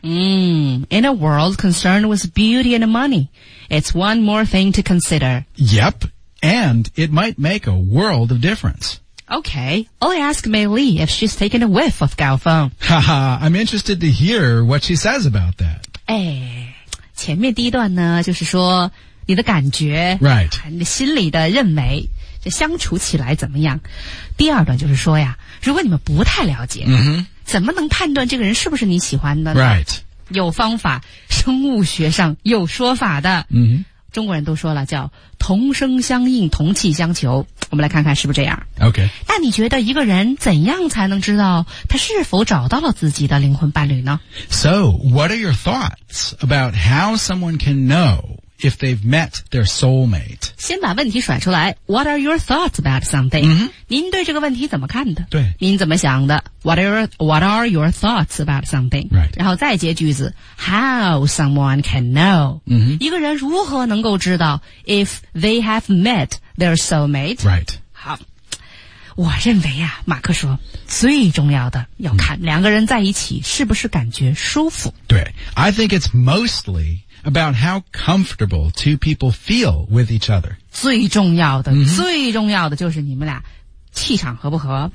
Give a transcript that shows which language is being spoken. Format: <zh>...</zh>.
<en>In a world concerned with beauty and money, it's one more thing to consider. Yep, and it might make a world of difference. Okay, I'll ask Mei Li if she's taken a whiff of Gao Feng. Haha, I'm interested to hear what she says about that.</en> <zh>哎，前面第一段呢，就是说你的感觉</zh> <en>，right.</en> <zh>你心里的认为，这相处起来怎么样？第二段就是说呀，如果你们不太了解，mm-hmm. 怎么能判断这个人是不是你喜欢的呢</zh> <en>？Right.</en> <zh>有方法，生物学上有说法的。 Mm-hmm. 中国人都说了叫同声相应，同气相求。我们来看看是不是这样。</zh> <en>OK.</en> <zh>那你觉得一个人怎样才能知道他是否找到了自己的灵魂伴侣呢</zh> <en>？So, what are your thoughts about how someone can know if they've met their soulmate?</en> <zh>先把问题甩出来。</zh> <en>What are your thoughts about something? Mm-hmm.</en> <zh>您对这个问题怎么看的？对。您怎么想的？</zh> <en>What are your thoughts about something? Right.</en> <zh>然后再接句子。</zh> <en>How someone can know? Mm-hmm.</en> <zh>一个人如何能够知道</zh> <en>if they have met their soulmate? Right.</en> <zh>好。我认为啊，马克说，最重要的要看两个人在一起是不是感觉舒服。</zh> <en>对。I think it's mostly... about how comfortable two people feel with each other.</en> <zh>最重要的、mm-hmm. 最重要的就是你们俩气场合不合</zh>